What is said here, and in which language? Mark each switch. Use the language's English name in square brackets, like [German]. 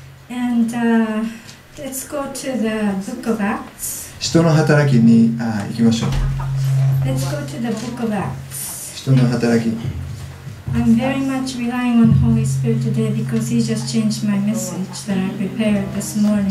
[English] And, let's go to the book of Acts. [Japanese] 使徒の働きに行きましょう。 [English] Let's go to the book of Acts. [Japanese] 使徒の働き。 [English] I'm very much relying on Holy Spirit today because He just changed my message that I prepared this morning.